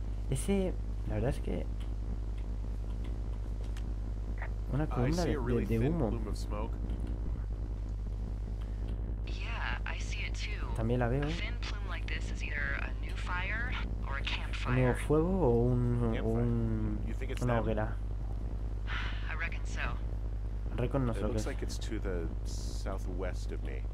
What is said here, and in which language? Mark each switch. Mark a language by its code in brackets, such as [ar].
[es] Ese, la verdad es que una columna de humo. [en] Yeah, I see it too. [es] También la veo. [en] A thin plume like this is either a new fire or a campfire. [es] Un nuevo fuego o un una hoguera. [en] I reckon so. [es] Reckon no sé lo que es. [en] Looks like it's to the southwest of me.